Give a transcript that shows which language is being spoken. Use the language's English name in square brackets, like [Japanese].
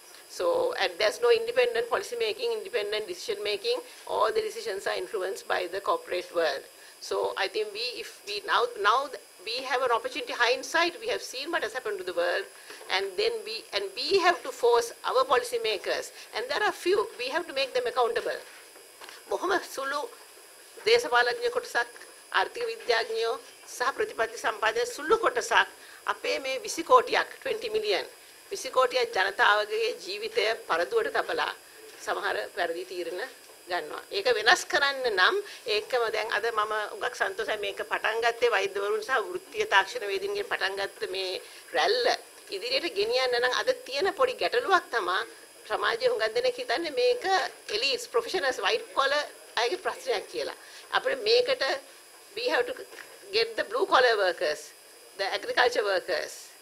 [English] So, and there's no independent policy making, independent decision making. All the decisions are influenced by the corporate world. So I think if we now we have an opportunity, hindsight, we have seen what has happened to the world. And then we have to force our policy makers. And there are few, we have to make them accountable. [Sinhala] බොහොම සුළු දේශපාලඥ කොටසක් ආර්ථික විද්‍යාඥයෝ සහ ප්‍රතිපත්ති සම්පාදක සුළු කොටසක් අපේ මේ 20 කෝටියක් 20 මිලියන් 20 කෝටියක් ජනතාවගේ ජීවිතය පරදුවට තබලා සමහර වැරදි තීරණ ගන්නවා. ඒක වෙනස් කරන්න නම් ඒකම දැන් අද මම උගක් සන්තෝෂයි මේක පටන් ගත්තේ වෛද්‍යවරුන් සහ වෘත්තීය තාක්ෂණවේදීන්ගෙන් පටන් ගත්ත මේ රැල්ල ඉදිරියට ගෙනියන්න නම් අද තියෙන පොඩි ගැටලුවක් තමයි සමාජයේ හුඟක් දෙනෙක් හිතන්නේ මේක [English] elites professionals white collar [Sinhala] අයගේ ප්‍රශ්නයක් කියලා. අපිට මේකට [English] we have to get the blue collar workers, the agriculture workers.